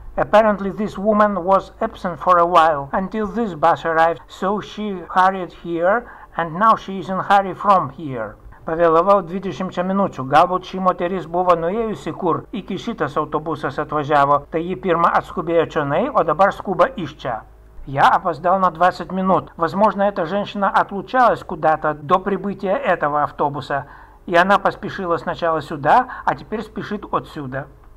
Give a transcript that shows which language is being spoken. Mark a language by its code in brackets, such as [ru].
[en] Apparently this woman was absent for a while, until this bus arrived, so she hurried here, and now she is in hurry from here. [lt] Pavėlavau 20 minučių, galbūt ši moteris buvo nuėjusi kur, iki šitas autobusas atvažiavo, tai ji pirma atskubėjo čionai, o dabar skuba iš čia. [ru] Я опоздал на 20 минут. Возможно, эта женщина отлучалась куда-то до прибытия этого автобуса. И она поспешила сначала сюда, а теперь спешит отсюда.